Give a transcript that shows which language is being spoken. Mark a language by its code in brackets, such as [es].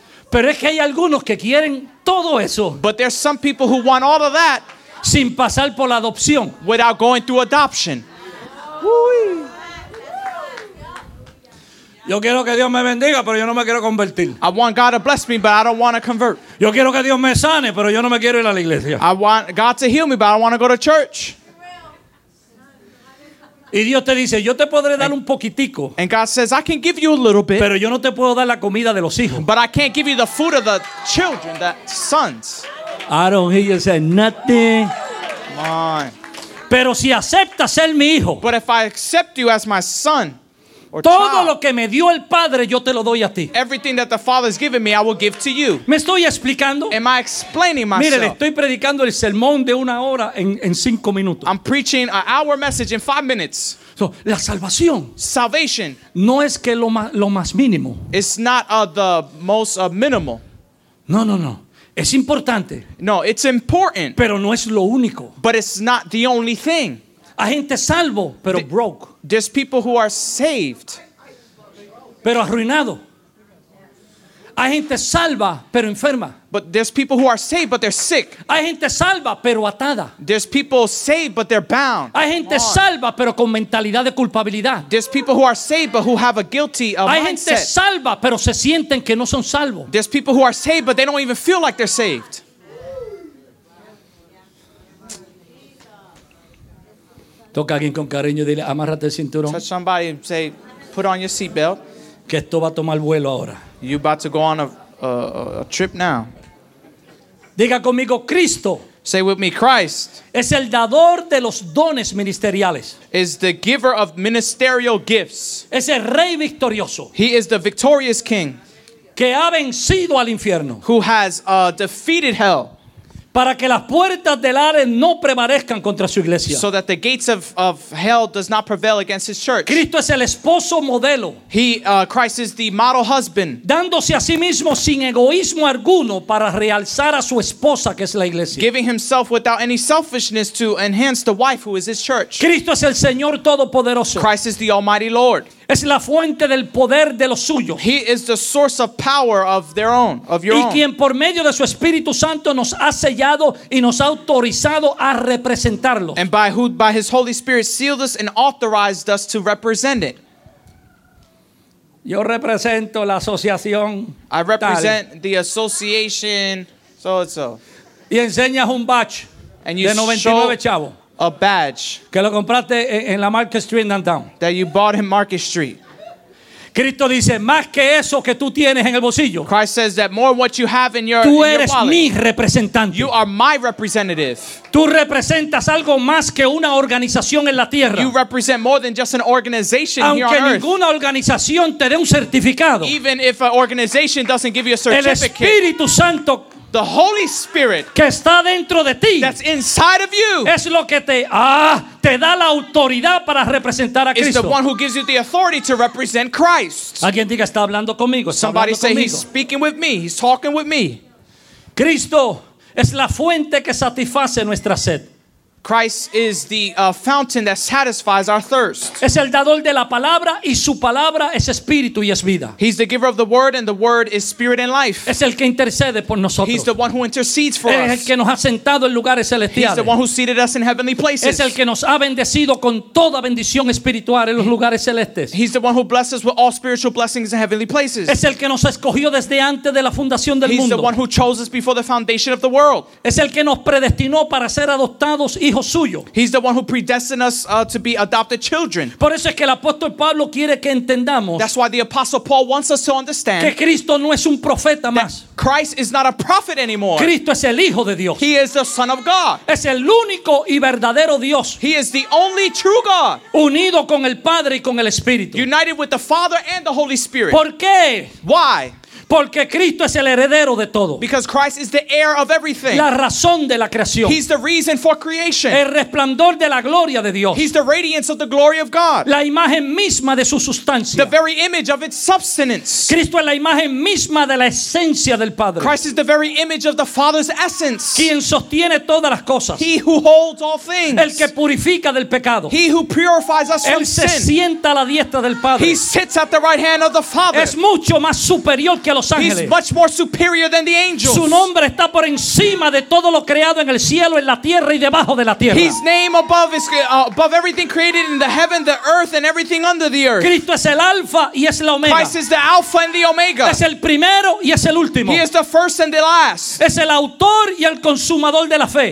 [es] Pero es que hay algunos que quieren todo eso. [en] But there's some people who want all of that. [es] Sin pasar por la adopción. [en] Without going through adoption. [es] Uy. Yo quiero que Dios me bendiga, pero yo no me quiero convertir. [en] I want God to bless me, but I don't want to convert. [es] Yo quiero que Dios me sane, pero yo no me quiero ir a la iglesia. [en] I want God to heal me, but I don't want to go to church. [es] Y Dios te dice, yo te podré dar un poquitico. [en] And God says, I can give you a little bit. [es] Pero yo no te puedo dar la comida de los hijos. [en] But I can't give you the food of the children, the sons. I don't hear you say nothing. Come on. [es] Pero si aceptas ser mi hijo. [en] But if I accept you as my son or [es] todo [en] child, [es] lo que me dio el padre, yo te lo doy a ti. [en] Everything that the Father has given me, I will give to you. [es] ¿Me estoy explicando? [en] Am I explaining myself? [es] Mire, le estoy predicando el sermón de una hora en cinco minutos. [en] I'm preaching an hour message in 5 minutes. [es] So, la salvación. [en] Salvation. [es] No es que lo más mínimo. [en] It's not the most minimal. [es] No, no, no. Es importante. [en] No, it's important. [es] Pero no es lo único. [en] But it's not the only thing. [es] Hay gente salvo, pero broke. [en] There's people who are saved. [es] Pero arruinado. Hay gente salva, pero enferma. [en] But there's people who are saved, but they're sick. [es] Hay gente salva, pero atada. [en] There's people saved, but they're bound. [es] Hay gente salva, pero con mentalidad de culpabilidad. [en] There's people who are saved, but who have a guilty mindset. [es] Hay gente salva, pero se sienten que no son salvos. [en] There's people who are saved, but they don't even feel like they're saved. [es] Toca a alguien con cariño y dile, amárrate el cinturón. [en] Touch somebody and say, put on your seatbelt. [es] Que esto va a tomar vuelo ahora. [en] You're about to go on a trip now. [es] Diga conmigo, Cristo. [en] Say with me, Christ. [es] Es el dador de los dones ministeriales. [en] Is the giver of ministerial gifts. [es] Es el rey victorioso. [en] He is the victorious king. [es] Que ha vencido al infierno. [en] Who has defeated hell. [es] Para que las puertas del Hades no prevalezcan contra su iglesia. [en] So that the gates of hell does not prevail against his church. [es] Cristo es el esposo modelo. [en] Christ is the model husband. [es] Dándose a sí mismo sin egoísmo alguno para realzar a su esposa que es la iglesia. [en] Giving himself without any selfishness to enhance the wife who is his church. [es] Cristo es el Señor todopoderoso. [en] Christ is the almighty Lord. [es] Es la fuente del poder de los suyos. [en] He is the source of power of their own, of your [es] own. Y quien por medio de su Espíritu Santo nos ha sellado y nos ha autorizado a representarlo. [en] And by his Holy Spirit sealed us and authorized us to represent it. [es] Yo represento la asociación. [en] I represent the association so and so. [es] Y enseñas un badge [en] and you [es] de 99 chavos. [en] A badge [es] que lo compraste en la Market Street downtown. [en] That you bought in Market Street. [es] Cristo dice más que eso que tú tienes en el bolsillo. [en] Christ says that more what you have in your [es] tú eres [en] in your wallet. [es] Mi representante. [en] You are my representative. [es] Tú representas algo más que una organización en la tierra. [en] You represent more than just an organization [es] aunque [en] here on earth. [es] Aunque ninguna organización te dé un certificado. [en] Even if an organization doesn't give you a certificate. [es] El Espíritu Santo. [en] The Holy Spirit [es] que está dentro de ti, [en] that's inside of you [es] es lo que te da la autoridad para representar a Cristo. [en] Is the one who gives you the authority to represent Christ. [es] Alguien diga, está hablando conmigo. [en] Somebody [es] está hablando conmigo. [en] He's speaking with me. He's talking with me. [es] Cristo es la fuente que satisface nuestra sed. [en] Christ is the fountain that satisfies our thirst. [es] Es el dador de la palabra y su palabra es espíritu y es vida. [en] He's the giver of the word and the word is spirit and life. [es] Es el que intercede por nosotros. [en] He's the one who intercedes for [es] es [en] us. [es] Es el que nos ha sentado en lugares celestiales. [en] He's the one who seated us in heavenly places. [es] Es el que nos ha bendecido con toda bendición espiritual en los lugares celestes. [en] He's the one who blesses with all spiritual blessings in heavenly places. [es] Es el que nos escogió desde antes de la fundación del [en] He's [es] mundo. [en] He's the one who chose us before the foundation of the world. [es] Es el que nos predestinó para ser adoptados y [en] He's the one who predestined us to be adopted children. [es] Por eso es que el apóstol Pablo quiere que entendamos. [en] That's why the apostle Paul wants us to understand [es] que Cristo no es un profeta más. [en] Christ is not a prophet anymore. [es] Cristo es el hijo de Dios. [en] He is the son of God. [es] Es el único y verdadero Dios. [en] He is the only true God. [es] Unido con el Padre y con el Espíritu. [en] United with the Father and the Holy Spirit. [es] ¿Por qué? [en] Why? [es] Porque Cristo es el heredero de todo. [en] Because Christ is the heir of everything. [es] La razón de la creación. [en] He's the reason for creation. [es] El resplandor de la gloria de Dios. [en] He's the radiance of the glory of God. [es] La imagen misma de su sustancia. [en] The very image of its substance. [es] Cristo es la imagen misma de la esencia del Padre. [en] Christ is the very image of the Father's essence. [es] Quien sostiene todas las cosas. [en] He who holds all things. [es] El que purifica del pecado. [en] He who purifies us from sin. [es] Él se sienta a la diestra del Padre. [en] He sits at the right hand of the Father. [es] Es mucho más superior que los ángeles. [en] He's much more superior than the angels. [es] Su nombre está por encima de todo lo creado en el cielo, en la tierra y debajo de la tierra. [en] His name above is above everything created in the heaven, the earth, and everything under the earth. [es] Cristo es el alfa y es la omega. [en] Christ is the alpha and the omega. [es] Es el primero y es el último. [en] He is the first and the last. [es] Es el autor y el consumador de la fe.